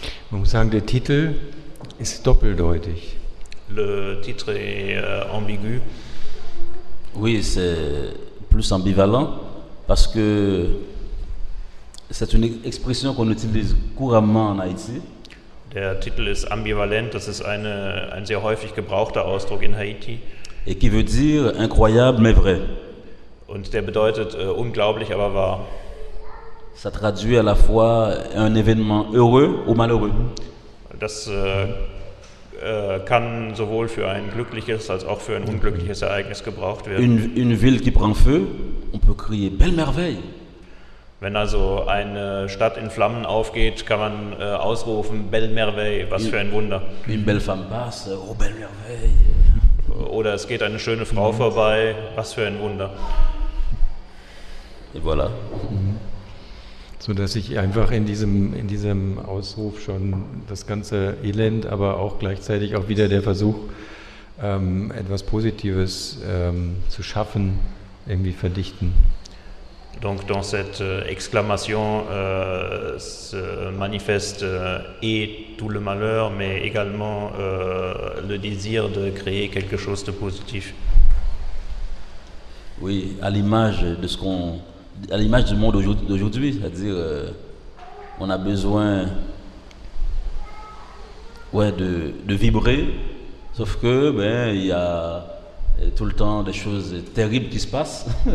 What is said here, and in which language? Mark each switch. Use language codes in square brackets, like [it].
[de] Man muss sagen, der Titel ist doppeldeutig. [fr] Le titre est ambigu. Oui, c'est plus ambivalent, parce que c'est une expression qu'on utilise couramment en Haïti. [de] Der Titel ist ambivalent, das ist ein sehr häufig gebrauchter Ausdruck in Haiti. [fr] Et qui veut dire incroyable mais vrai. [de] Und der bedeutet unglaublich, aber wahr. [fr] Ça traduit à la fois un événement heureux ou malheureux. [de] Das kann sowohl für ein glückliches als auch für ein unglückliches Ereignis gebraucht werden. [fr] Une ville qui prend feu, on peut crier belle merveille. [de] Wenn also eine Stadt in Flammen aufgeht, kann man ausrufen, [fr] belle merveille, [de] was für ein Wunder. [fr] Une belle femme passe, oh belle merveille. [de] Oder es geht eine schöne Frau vorbei, was für ein Wunder. [fr] Et voilà. [de] So dass ich einfach in diesem Ausruf schon das ganze Elend, aber auch gleichzeitig auch wieder der Versuch, etwas Positives zu schaffen, irgendwie verdichten. [fr] Donc dans cette exclamation se manifeste et tout le malheur, mais également le désir de créer quelque chose de positif. Oui, à l'image de ce qu'on, à l'image du monde d'aujourd'hui, c'est-à-dire on a besoin de vibrer, sauf que il y a tout le temps des choses terribles qui se passent.